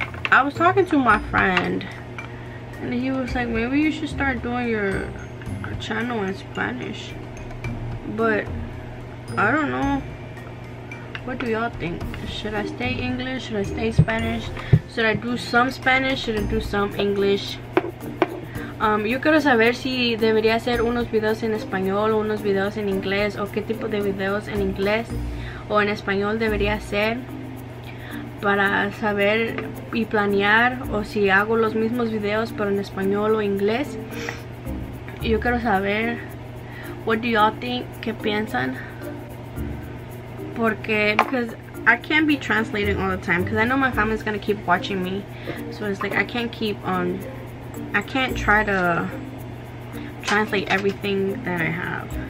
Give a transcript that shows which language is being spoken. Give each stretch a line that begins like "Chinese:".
English: I was talking to my friend and he was like, maybe you should start doing your channel in Spanish. But I don't know. What do y'all think? Should I stay English? Should I stay Spanish? Should I do some Spanish? Should I do some English?
Spanish: Yo quiero saber si debería hacer unos videos en español o unos videos en inglés, o qué tipo de videos en inglés o en español debería hacer para saber y planear, o si hago los mismos videos pero en español o inglés. Yo quiero saber,
English: what do y'all think,
Spanish: qué piensan, porque
English: I can't be translating all the time because I know my family's gonna keep watching me, so it's like I can't keep on, I can't try to translate everything that I have.